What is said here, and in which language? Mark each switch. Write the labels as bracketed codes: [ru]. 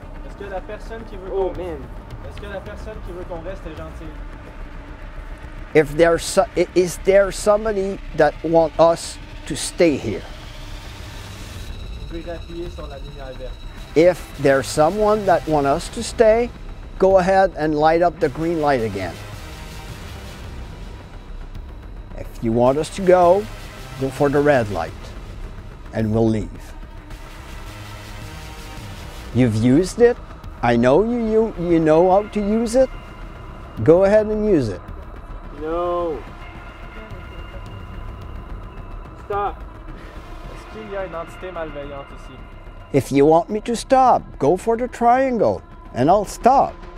[fr] Est-ce que la personne qui veut Est-ce que la personne qui veut qu'on reste est gentille? [en] If there's is there somebody that want us to stay here? [fr] Je vais appuyer sur la lumière verte. [en] If there's someone that want us to stay, go ahead and light up the green light again. If you want us to go, go for the red light and we'll leave. You've used it. I know you know how to use it. Go ahead and use it. No. Stop. [fr] Est-ce qu'il y a une entité malveillante ici? [en] If you want me to stop, go for the triangle and I'll stop.